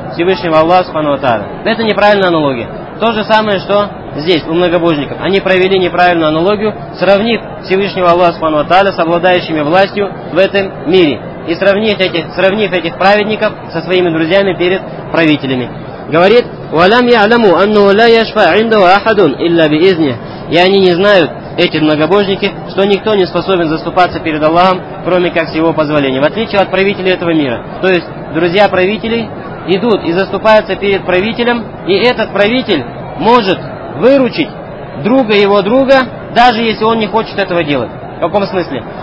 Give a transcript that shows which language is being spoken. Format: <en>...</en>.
<ru>Всевышнего Аллаха Субхану ва Тааля. Это неправильная аналогия. То же самое, что здесь, у многобожников. Они провели неправильную аналогию, сравнив Всевышнего Аллаха Субхану ва Тааля с обладающими властью в этом мире. И сравнив этих праведников со своими друзьями перед правителями. Говорит,</ru> <ar>وَلَمْ يَعْلَمُوا أَنُّهُ لَا يَشْفَى عِنْدَهُ أَحَدٌ إِلَّا بِإِذْنِهِ.</ar> <ru>И они не знают, эти многобожники, что никто не способен заступаться перед Аллахом, кроме как с его позволения. В отличие от правителей этого мира. То есть, друзья правителей идут и заступаются перед правителем, и этот правитель может выручить друга его друга, даже если он не хочет этого делать. В каком смысле?</ru>